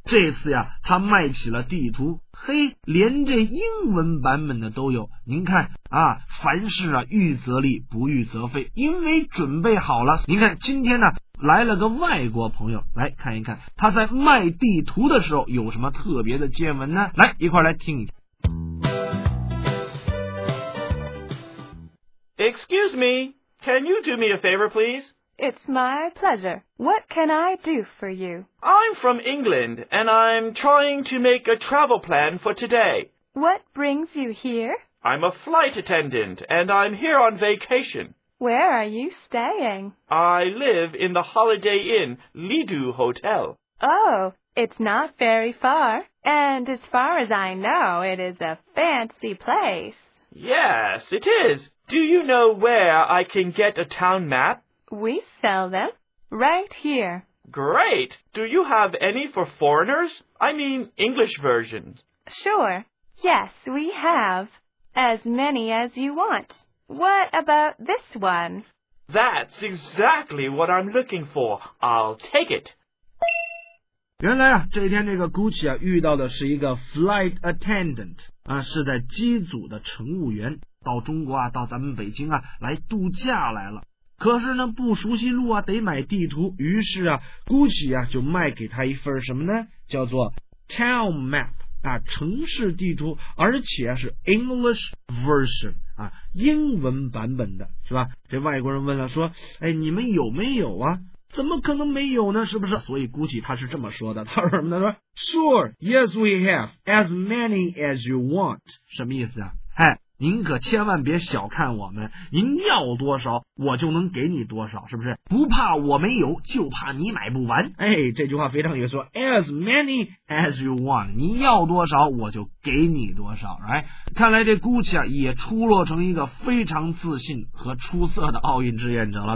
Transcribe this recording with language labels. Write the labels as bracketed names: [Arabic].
[Chinese] 这次呀，他卖起了地图，嘿，连这英文版本的都有。您看啊，凡事啊预则立，不预则废，因为准备好了。您看今天呢来了个外国朋友，来看一看他在卖地图的时候有什么特别的见闻呢？来，一块来听一下。 [English] Excuse me, can you do me a favor, please? It's my pleasure. What can I do for you? I'm from England, and I'm trying to make a travel plan for today. What brings you here? I'm a flight attendant, and I'm here on vacation. Where are you staying? I live in the Holiday Inn, Lido Hotel. Oh, it's not very far. And as far as I know, it is a fancy place. Yes, it is. Do you know where I can get a town map? We sell them right here. Great! Do you have any for foreigners? I mean English versions. Sure. Yes, we have. As many as you want. What about this one? That's exactly what I'm looking for. I'll take it. [Chinese] 原来啊，这一天这个 Gucci 啊遇到的是一个 flight attendant 啊，是在机组的乘务员，到中国啊，到咱们北京啊来度假来了。可是呢，不熟悉路啊，得买地图。于是啊 ，Gucci 啊就卖给他一份什么呢？叫做 town map 啊，城市地图，而且啊是 English version 啊，英文版本的，是吧？这外国人问了说，哎，你们有没有啊？怎么可能没有呢？是不是？所以估计他是这么说的。他说什么呢？他说 ： [English] “Sure, yes, we have as many as you want。” [Chinese] 什么意思啊？哎，您可千万别小看我们，您要多少，我就能给你多少，是不是？不怕我没有，就怕你买不完。哎，这句话非常有说 ， [English] as many as you want， [Chinese] 你要多少，我就给你多少。哎，看来这估计啊，也出落成一个非常自信和出色的奥运志愿者了。